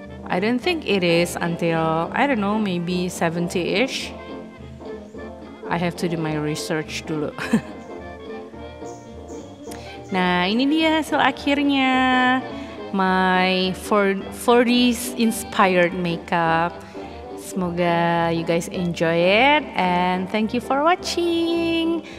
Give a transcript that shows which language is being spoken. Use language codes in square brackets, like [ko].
[en] I don't think it is until, I don't know, maybe 70-ish. I have to do my research [id] dulu. Nah, ini dia hasil akhirnya. [en] My 40s inspired makeup. [id] Semoga [en] you guys enjoy it and thank you for watching.